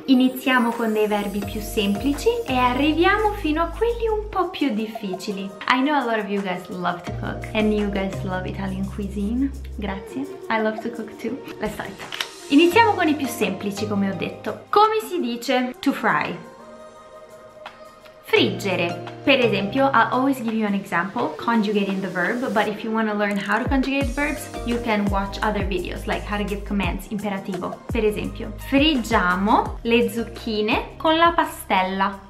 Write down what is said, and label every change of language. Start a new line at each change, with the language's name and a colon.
Italian: Iniziamo con dei verbi più semplici e arriviamo fino a quelli un po' più difficili.
English: I know a lot of you guys love to cook and you guys love Italian cuisine. Grazie. I love to cook too. Let's start.
Italian: Iniziamo con i più semplici, come ho detto. Come si dice to fry? Friggere. Per esempio,
English: I'll always give you an example conjugating the verb, but if you want to learn how to conjugate verbs, you can watch other videos like how to give commands, imperativo.
Italian: Per esempio, friggiamo le zucchine con la pastella.